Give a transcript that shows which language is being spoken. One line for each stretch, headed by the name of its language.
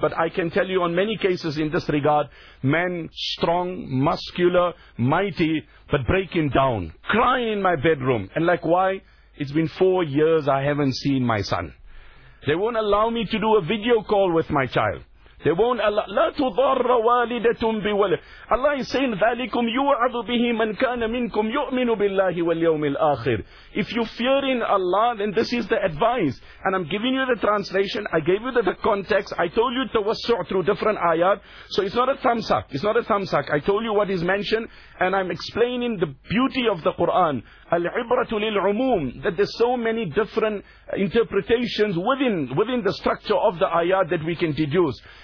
English: But I can tell you on many cases in this regard, men, strong, muscular, mighty, but breaking down, crying in my bedroom. And like, why? It's been 4 years I haven't seen my son. They won't allow me to do a video call with my child. They won't allow.
Arabic: لَا تُضَرَّ وَالِدَةٌ بِوَلَدٍ.
English: Allah is saying,
Arabic: ذَلِكُمْ يُوَعَذُ بِهِ مَنْ كَانَ مِنْكُمْ يُؤْمِنُ بِاللَّهِ وَالْيَوْمِ الْآخِرِ.
English: If you fear in Allah, then this is the advice. And I'm giving you the translation. I gave you the context. I told you tawassu' through different ayat. So it's not a thamsak. It's not a thamsak. I told you what is mentioned. And I'm explaining the beauty of the Quran.
Arabic: Al-ibratu lil-umum.
English: That there's so many different interpretations within the structure of the ayat that we can deduce.